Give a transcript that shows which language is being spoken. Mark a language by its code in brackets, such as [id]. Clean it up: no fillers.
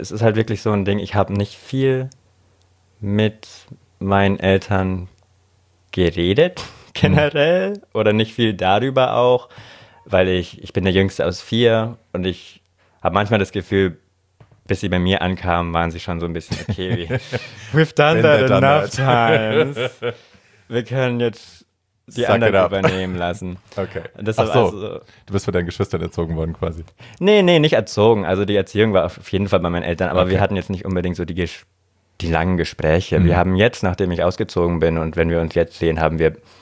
[de] Es ist halt wirklich so ein Ding, ich habe nicht viel mit meinen Eltern geredet. Generell oder nicht viel darüber auch, weil ich bin der Jüngste aus vier und ich habe manchmal das Gefühl, bis sie bei mir ankamen, waren sie schon so ein bisschen okay. [en] We've done that enough times. [de] Wir können jetzt die anderen übernehmen lassen. Okay. Das war du bist von deinen Geschwistern erzogen worden quasi. Nee, nicht erzogen. Also die Erziehung war auf jeden Fall bei meinen Eltern, aber wir hatten jetzt nicht unbedingt so die langen Gespräche. Mhm. Wir haben jetzt, nachdem ich ausgezogen bin und wenn wir uns jetzt sehen, haben wir